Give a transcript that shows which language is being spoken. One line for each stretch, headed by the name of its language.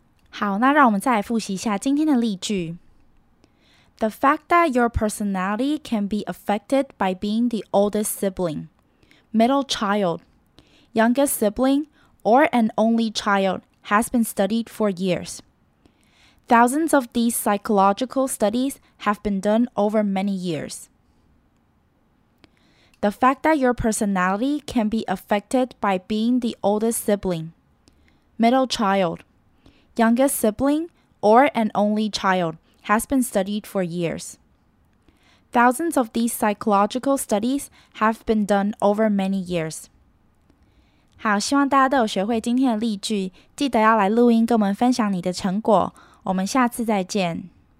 Chinese: 好，那让我们再来复习一下今天的例句。
English: The fact that your personality can be affected by being the oldest sibling, middle child, youngest sibling, or an only child has been studied for years. Thousands of these psychological studies have been done over many years. The fact that your personality can be affected by being the oldest sibling,middle child, youngest sibling, or an only child has been studied for years. Thousands of these psychological studies have been done over many years.
Chinese: 好，希望大家都有学会今天的例句，记得要来录音跟我们分享你的成果。我们下次再见。